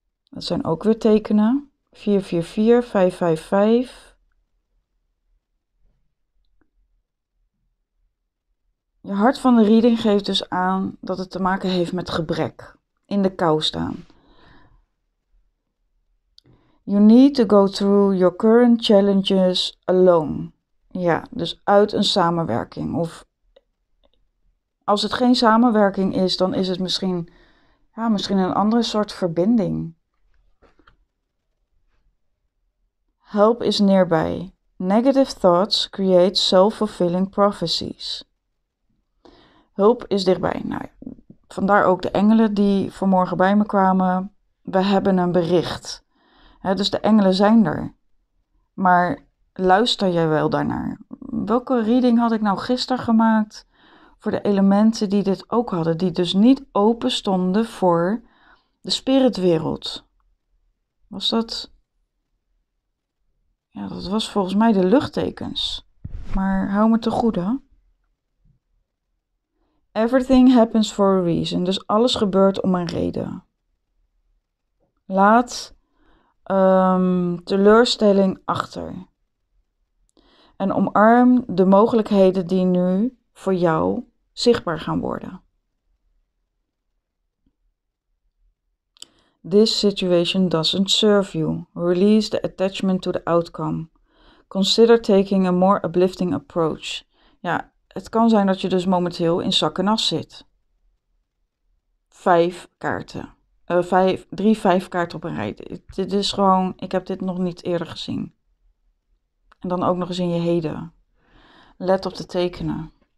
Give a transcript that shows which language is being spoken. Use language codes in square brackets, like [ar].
[nl] Dat zijn ook weer tekenen. 444, 555. Je hart van de reading geeft dus aan dat het te maken heeft met gebrek. In de kou staan. [en] You need to go through your current challenges alone. [nl] Ja, dus uit een samenwerking. Of als het geen samenwerking is, dan is het misschien, ja, misschien een andere soort verbinding. [en] Help is nearby. Negative thoughts create self-fulfilling prophecies. [nl] Hulp is dichtbij. Nou, vandaar ook de engelen die vanmorgen bij me kwamen. We hebben een bericht. Ja, dus de engelen zijn er. Maar luister jij wel daarnaar? Welke reading had ik nou gisteren gemaakt voor de elementen die dit ook hadden? Die dus niet open stonden voor de spiritwereld. Was dat? Ja, dat was volgens mij de luchttekens. Maar hou me te goede. [en] Everything happens for a reason. [nl] Dus alles gebeurt om een reden. Laat teleurstelling achter. En omarm de mogelijkheden die nu voor jou zichtbaar gaan worden. [en] This situation doesn't serve you. Release the attachment to the outcome. Consider taking a more uplifting approach. [nl] Ja. Het kan zijn dat je dus momenteel in zak en as zit. 5 kaarten. 3 5 kaarten op een rij. Dit is gewoon, ik heb dit nog niet eerder gezien. En dan ook nog eens in je heden. Let op de tekenen.